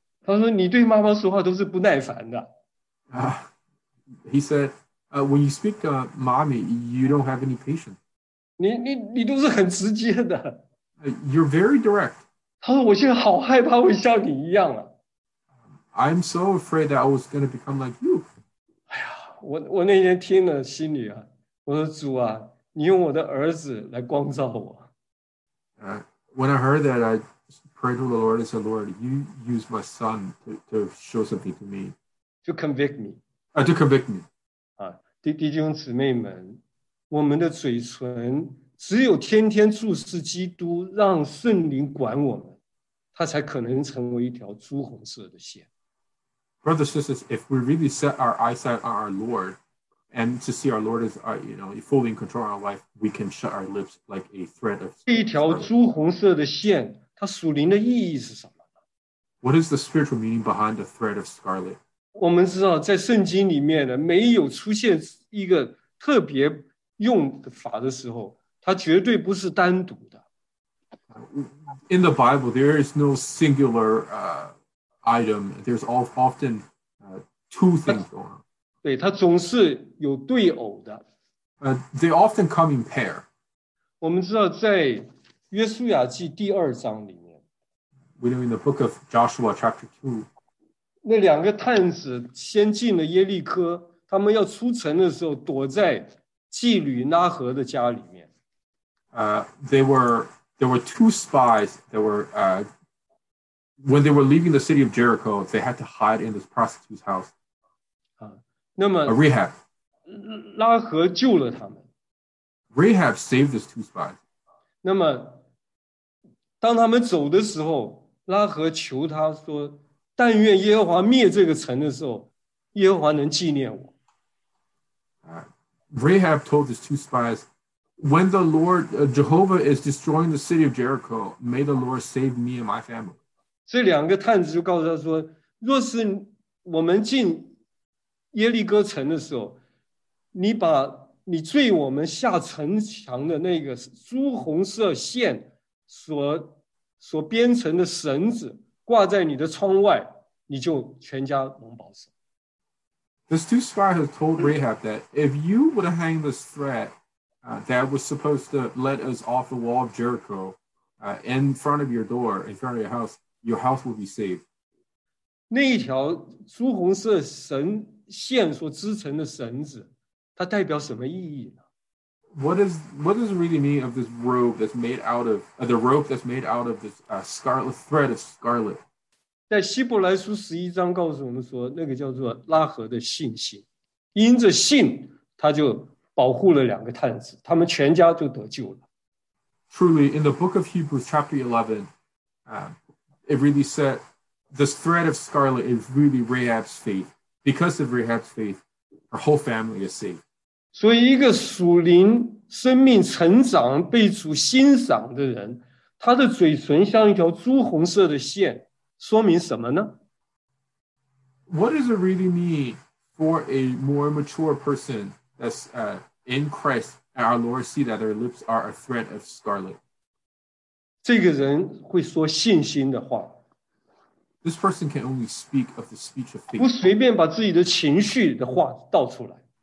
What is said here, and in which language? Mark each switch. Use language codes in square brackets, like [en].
[zh] 他说你对妈妈说话都是不耐烦的。 [en] He said, when you speak to mommy, you don't have any patience. [zh] 你都是很直接的。 [en] You're very direct. [zh] 他说我现在好害怕会像你一样啊。 [en] I'm so afraid that I was going to become like you. [zh] 哎呀，我那天听了心里啊，我说主啊，你用我的儿子来光照我。 [en] When I heard that, I prayed to the Lord and said, Lord, you use my son to show something to me. To convict me. To convict me. [zh] 弟兄姊妹们，我们的嘴唇只有天天注视基督，让圣灵管我们，它才可能成为一条朱红色的线。 [en] Brothers and sisters, if we really set our eyesight on our Lord, and to see our Lord is, you know, fully in control of our life, we can shut our lips like a thread of. [zh] 这一条朱红色的线，它属灵的意义是什么呢？ [en] What is the spiritual meaning behind the thread of scarlet? [zh] 我们知道，在圣经里面呢，没有出现一个特别用法的时候，它绝对不是单独的。 [en] In the Bible, there is no singular, item. There's often, two things going on. [zh] 对，它总是有对偶的。 [en] They often come in pair. [zh] 我们知道在约书亚记第二章里面。 [en] We know in the book of Joshua chapter 2. [zh] 那两个探子先进了耶利哥，他们要出城的时候躲在妓女拉合的家里面。 [en] There were two spies that were, when they were leaving the city of Jericho, they had to hide in this prostitute's house. [zh] 那么 [en] Rahab. [zh] 拉合救了他们。 [en] Rahab saved these two spies. [zh] 那么当他们走的时候，拉合求他说：“但愿耶和华灭这个城的时候，耶和华能纪念我。” [en] Rahab told his two spies, "When the Lord Jehovah is destroying the city of Jericho, may the Lord save me and my family." [zh] 这两个探子就告诉他说：“若是我们进耶利哥城的时候，你把你坠我们下城墙的那个朱红色线。” 所编成的绳子挂在你的窗外，你就全家蒙保守。 [en] These two spies have told Rahab that if you would hang this thread that was supposed to let us off the wall of Jericho in front of your door, in front of your house will be saved. [zh] 那一条朱红色绳线所织成的绳子，它代表什么意义呢？ [en] What does it really mean of this robe that's made out of the rope that's made out of this scarlet thread of scarlet? [zh] 在希伯来书十一章告诉我们说，那个叫做拉合的信心，因着信，他就保护了两个探子，他们全家就得救了。 [en] Truly, in the book of Hebrews, chapter 11, it really said this thread of scarlet is really Rahab's faith. Because of Rahab's faith, her whole family is saved. [zh] 所以一个属灵生命成长被主欣赏的人，他的嘴唇像一条朱红色的线，说明什么呢？ [en] What does it really mean for a more mature person that's in Christ and our Lord see that their lips are a thread of scarlet? [zh] 这个人会说信心的话。 [en] This person can only speak of the speech of faith. [zh] 不随便把自己的情绪的话道出来。